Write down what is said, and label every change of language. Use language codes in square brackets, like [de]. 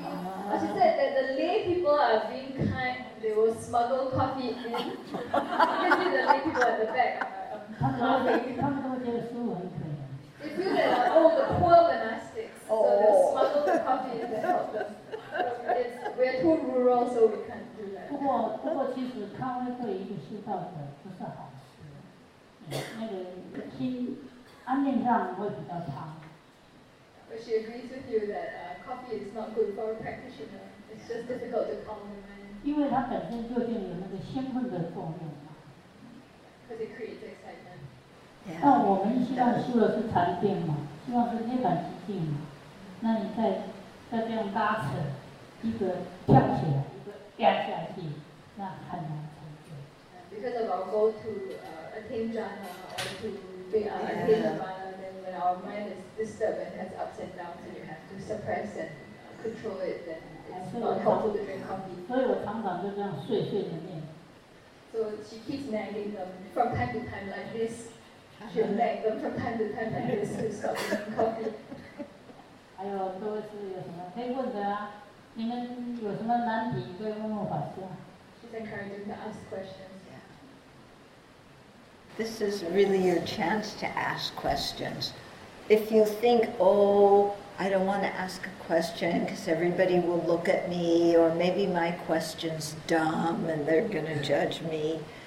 [en] She said that the lay people are being kind, they will smuggle coffee in. Especially the lay people at the back. They feel that the poor monastics, so they'll smuggle the coffee in to help them. We're too rural, so we can't do that. [zh] 不过其实咖啡对一个修道者不是好事。那个心安念上会比较差。 [en] But she agrees with you that coffee is not good for a practitioner. It's just difficult to calm the mind. [zh] 因为它本身就定有那个兴奋的作用嘛。 [en] Because it creates excitement. [zh] 但我们希望修的是禅定嘛，希望是涅槃寂静嘛。那你再这样拉扯，一个跳起来，一个压下去，那很难成就。 [en] Because of our goal to attain jhana or to attain nirvana, then when our mind is disturbed and has ups and downs, and you have to suppress and control it, then it's not helpful to drink coffee. [zh] 所以我常常就这样碎碎的念。 [en] So she keeps nagging them from time to time like this. She nags them from time to time like this to stop drinking coffee. [zh] 还有各位是有什么可以问的啊？你们有什么难题可以问问法师啊？ [en] She's encouraging to ask questions. This is really your chance to ask questions. If you think, oh, I don't want to ask a question because everybody will look at me, or maybe my question's dumb and they're going to judge me.